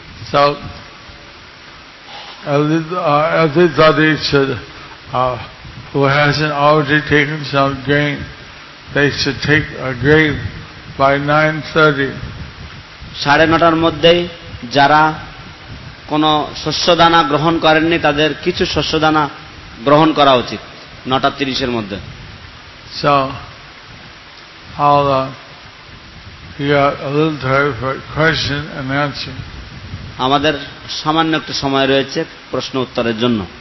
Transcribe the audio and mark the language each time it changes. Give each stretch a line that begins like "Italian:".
English: So everybody should who hasn't already taken some grain, they should take a grain by 9:30.
Bangla: সাড়ে নটার মধ্যেই যারা কোন শস্যদানা গ্রহণ করেননি তাদের কিছু শস্যদানা গ্রহণ করা উচিত 9:30 মধ্যে।
English: So, you got a little time for question and answer.
Bangla: আমাদের সামান্য একটু সময় রয়েছে প্রশ্ন উত্তরের জন্য।